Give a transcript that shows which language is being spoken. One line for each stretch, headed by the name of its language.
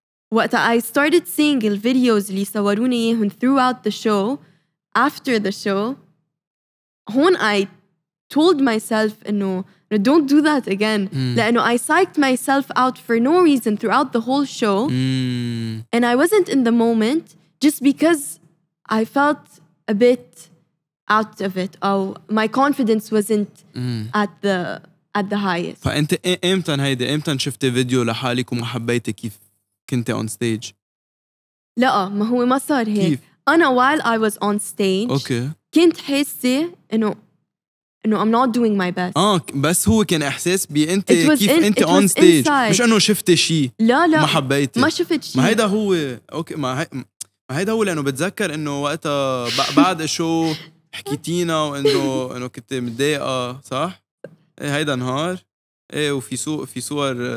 English: What I started seeing the videos
Arabic: اللي صوروني إياهم
English: throughout the show, after the show,
Arabic: هون
English: I told myself
Arabic: إنه
English: don't do that again.
Arabic: لأنه
English: I psyched myself out for no reason throughout the whole show. And I wasn't in the moment just because I felt a bit... out of it or my confidence wasn't at the highest
Arabic: فانت امتى هيدي امتى شفت فيديو لحالك وما حبيتي كيف كنت
English: on stage
Arabic: لا ما هو ما صار هيك كيف؟ انا
English: while I was on stage okay.
Arabic: كنت حاسه انه
English: I'm not doing my best
Arabic: بس هو كان احساس بانت كيف انت
English: on stage inside.
Arabic: مش انه شفتي شيء لا ما حبيتي ما شفت شيء ما هيدا هو اوكي ما هيدا هو لانه بتذكر انه وقتها بعد شو حكيتينا وانه كنت متضايقه صح هيدا نهار ايه وفي صور في صور